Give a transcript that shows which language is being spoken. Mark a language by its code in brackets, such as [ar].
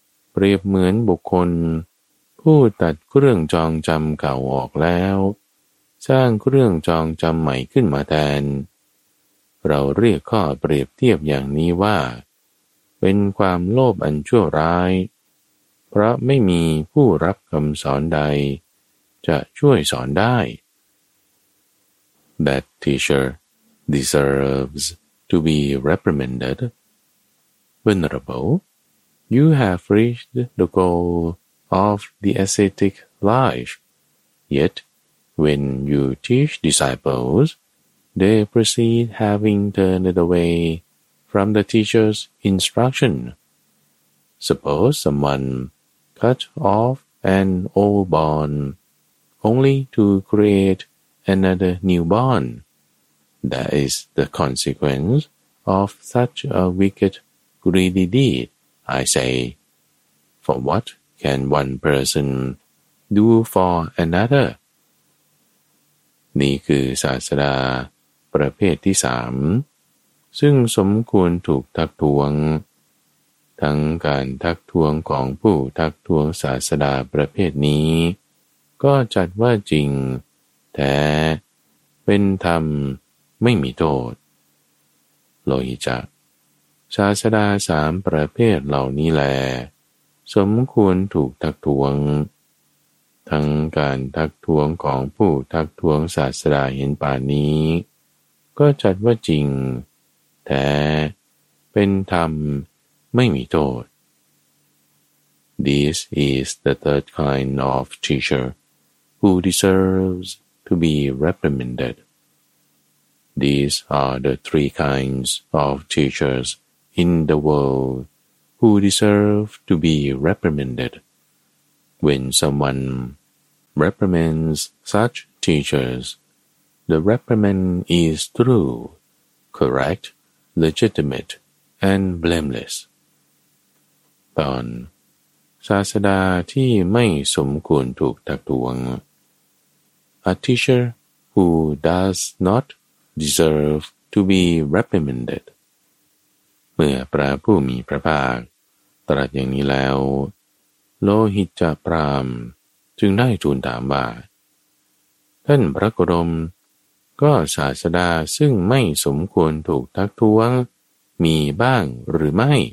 [th] เปรียบเหมือนบุคคลผู้ตัดเครื่องจองจำเก่าออกแล้วสร้างเครื่องจองจำใหม่ขึ้นมาแทนเราเรียกข้อเปรียบเทียบอย่างนี้ว่าเป็นความโลภอันชั่วร้ายเพราะไม่มีผู้รับคำสอนใดจะช่วยสอนได้ [en] That teacher deserves to be reprimanded. Venerable, you have reached the goal of the ascetic life. Yet, when you teach disciples, they proceed having turned away from the teacher's instruction. Suppose someone cut off an old bone only to create another newborn. That is the consequence of such a wicked, greedy deed, I say. For what can one person do for another? [th] นี่คือศาสดาประเภทที่สามซึ่งสมควรถูกทักท้วงทั้งการทักท้วงของผู้ทักท้วงศาสดาประเภทนี้ก็จัดว่าจริงแต่เป็นธรรมไม่มีโทษโลหิตจักศาสดาสามประเภทเหล่านี้แลสมควรถูกทักท้วง ทั้งการทักท้วงของผู้ทักท้วงศาสดาเห็นป่านนี้ก็จัดว่าจริงแต่เป็นธรรมไม่มีโทษ [en] This is the third kind of teacher who deservesTo be reprimanded. These are the three kinds of teachers in the world who deserve to be reprimanded. When someone reprimands such teachers, the reprimand is true, correct, legitimate, and blameless. [th] ตอนศาสดาที่ไม่สมควรถูกทักท้วง [en] A teacher who does not deserve to be reprimanded. [th] เมื่อพระผู้มีพระภาคตรัสอย่างนี้แล้วโลหิตจพราหมณ์จึงได้ทูลถามว่าท่านพระโคดมก็ศาสดาซึ่งไม่สมควรถูกทักท้วงมีบ้างหรือไม่